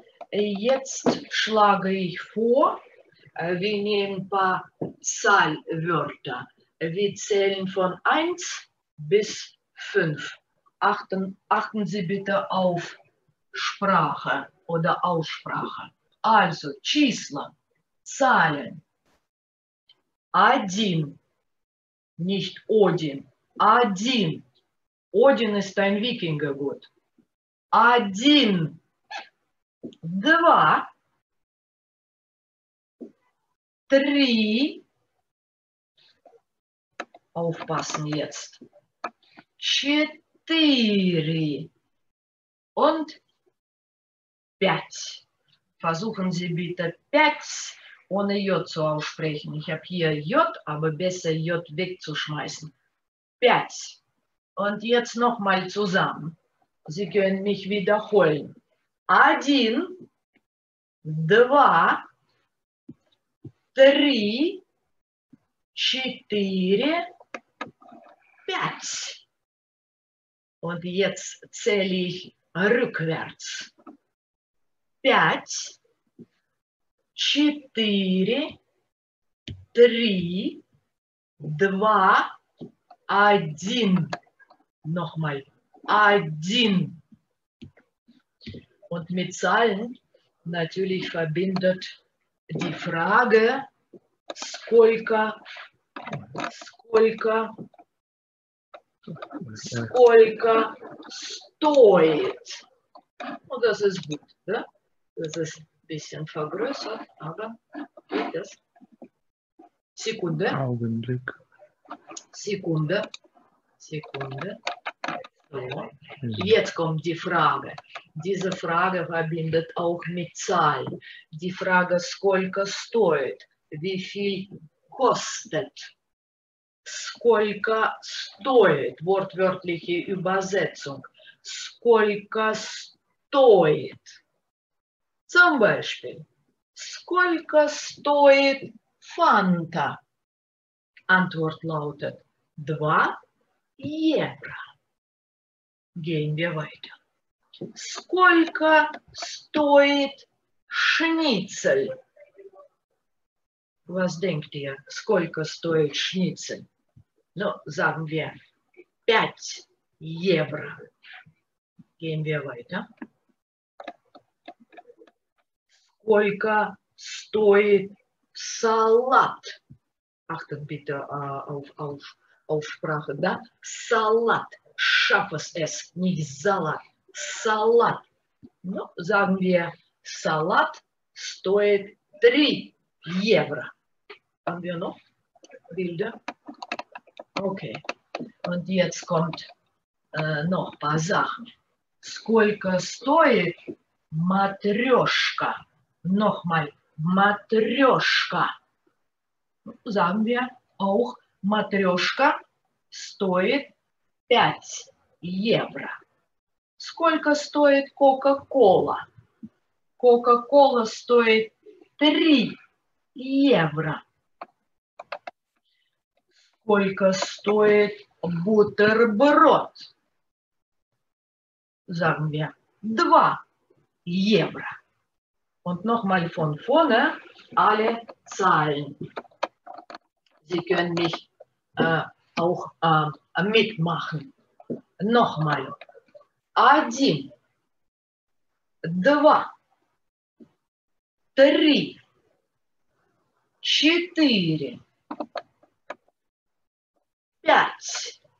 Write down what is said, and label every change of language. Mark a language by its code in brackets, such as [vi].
[de] Jetzt schlage ich vor, wir nehmen ein paar Zahlwörter. Wir zählen von 1 bis 5. Achten Sie bitte auf Sprache oder Aussprache. Also, числа, Zahlen. [ru] Один, [de] nicht [ru] Один, Один. [de] Один ist ein Wikingergott. [ru] Один, два, три, [de] aufpassen jetzt, [ru] четыре [de] und [ru] пять. [de] Versuchen Sie bitte пять, ohne J zu aussprechen. Ich habe hier J, aber besser J wegzuschmeißen. [ru] Пять. [de] Und jetzt nochmal zusammen. Sie können mich wiederholen. [ru] Один, два, три, четыре, пять. [de] Und jetzt zähle ich rückwärts. [ru] Пять, четыре, три, два, один. [de] Nochmal. [ru] Один. [de] Und mit Zahlen natürlich verbindet die Frage, [ru] сколько стоит. [de] Und das ist gut, [ru] да? [de] Das ist ein bisschen vergrößert, aber geht das. Sekunde. Augenblick. Sekunde. Jetzt kommt die Frage. Diese Frage verbindet auch mit Zahlen. Die Frage, [ru] сколько стоит? [de] Wie viel kostet? [ru] Сколько стоит? [de] Wortwörtliche Übersetzung. [ru] Сколько стоит? [de] Zum Beispiel, [ru] сколько стоит Фанта? [de] Antwort lautet 2 евро. Gehen wir weiter. [ru] Сколько стоит Шницель? [de] Was denkt ihr, [ru] сколько стоит Шницель? Ну, [de] sagen wir 5 евро. Gehen wir weiter. [ru] Сколько стоит салат? [de] Achten bitte auf Sprache, [ru] да? Салат. [de] Schaffes es, nicht Salat. [ru] Салат. Ну, [de] sagen wir, [ru] салат стоит 3 евро. [de] Haben wir noch Bilder? Okay. Und jetzt kommt noch ein paar Sachen. [ru] Сколько стоит матрешка? [de] Nochmal, матрешка. Sagen wir auch, [ru] матрешка стоит 5 евро. Сколько стоит Кока-Кола? Кока-Кола стоит 3 евро. Сколько стоит бутерброд? [de] Sagen wir, 2 евро. Und nochmal von vorne alle Zahlen. Sie können mich auch mitmachen. Nochmal. [ru] Один, два, три, четыре, пять.